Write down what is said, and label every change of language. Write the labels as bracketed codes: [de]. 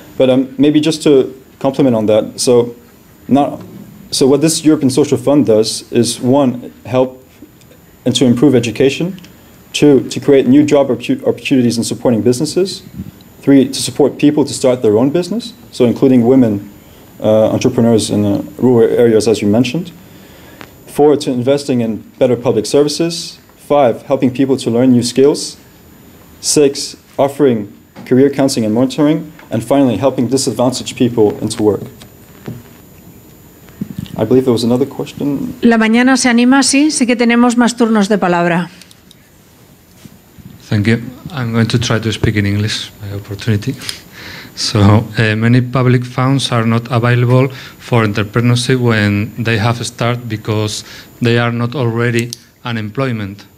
[en] But maybe just to complement on that, so what this European Social Fund does is, one, help and to improve education, two, to create new job opportunities in supporting businesses, three, to support people to start their own business, so including women entrepreneurs in rural areas, as you mentioned, four, to investing in better public services, five, helping people to learn new skills, six, offering career counseling and mentoring, and finally, helping disadvantaged people into work. I believe there was another question. [es] La mañana se anima, sí, sí que tenemos más turnos de palabra. [en] Thank you. I'm going to try to speak in English, my opportunity. So many public funds are not available for entrepreneurship when they have a start because they are not already unemployment.